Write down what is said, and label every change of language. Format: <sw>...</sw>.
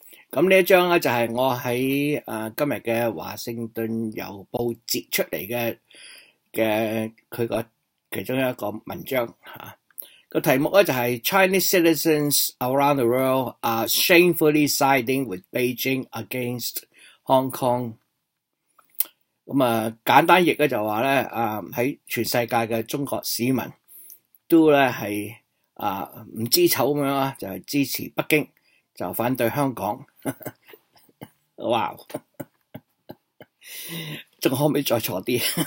<yue>咁呢一张咧就系我喺今日嘅华盛顿邮报截出嚟嘅佢个其中一个文章吓。个题目咧就系</yue> <en>Chinese citizens around the world are shamefully siding with Beijing against Hong Kong。</en> <yue>咁啊，简单译咧就话咧，喺全世界嘅中国市民都咧系唔知丑咁样啊，就系支持北京，就反对香港。哇，仲可唔可以再坐啲？</yue>